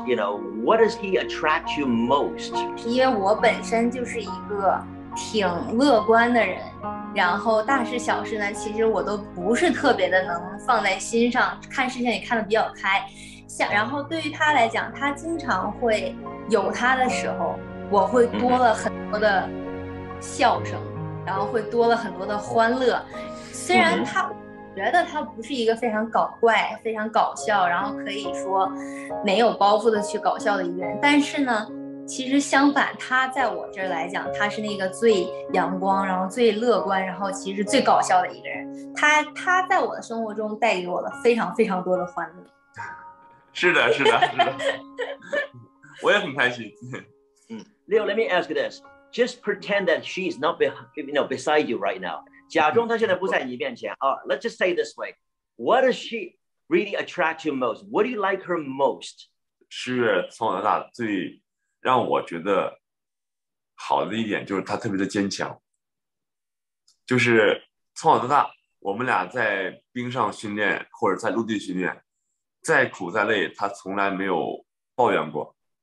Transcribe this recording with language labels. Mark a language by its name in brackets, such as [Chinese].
[English] You know, what does he attract you most? [Chinese] 因为我本身就是一个挺乐观的人，然后大事小事呢，其实我都不是特别的能放在心上，看事情也看得比较开。然后对于他来讲，他经常会有他的时候，我会多了很多的笑声，然后会多了很多的欢乐。虽然他觉得他不是一个非常搞怪非常搞笑然后可以说没有包袱的去搞笑的一个人，但是呢其实相反，他在我这儿来讲，他是那个最阳光然后最乐观然后其实最搞笑的一个人。他在我的生活中带给我了非常非常多的欢乐。是的是的是的。我也很开心。 [English] Leo, let me ask you this. Just pretend that she's not beside you right now. [Chinese] 假装他现在不在你面前。 [English] Let's just say this way. What does she really attract you most? What do you like her most? [Chinese] 是从小到大最让我觉得好的一点就是他特别的坚强。就是从小到大我们俩在冰上训练或者在陆地训练，再苦再累他从来没有抱怨过。